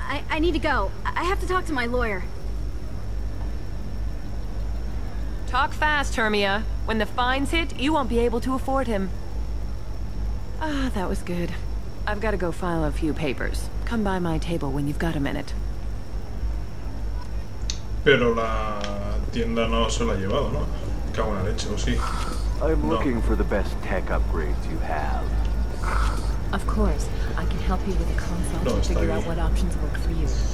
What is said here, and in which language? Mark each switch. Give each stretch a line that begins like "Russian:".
English: I need to go. I have to talk to my lawyer. Talk fast, Hermia. When the fines hit, you won't be able to afford him. Ah, that was good. I've got to go file a few papers. Come by my table when you've got a minute.
Spanish: Pero la tienda no se la ha llevado, ¿no? Cago en la leche, ¿o sí?
English: I'm looking for the best tech upgrades you have. Of course, I can help you with a consult to figure out what options work for you.